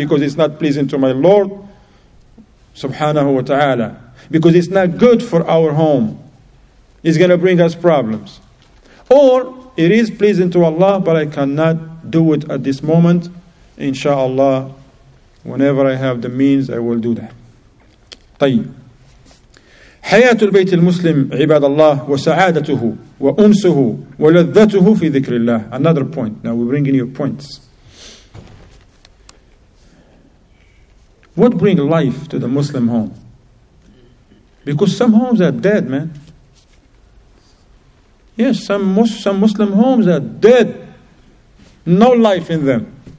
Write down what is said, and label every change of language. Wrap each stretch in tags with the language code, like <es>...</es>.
<en>Because it's not pleasing to my Lord, subhanahu wa ta'ala. Because it's not good for our home. It's going to bring us problems. Or, it is pleasing to Allah, but I cannot do it at this moment. Inshallah, whenever I have the means, I will do that.</en> <ar>طيب. حياة البيت المسلم عباد الله وسعادته وأنسه ولذته في ذكر الله.</ar> <en>Another point. Now we're bringing you points. What brings life to the Muslim home? Because some homes are dead, man. Yes, some Muslim homes are dead. No life in them.</en>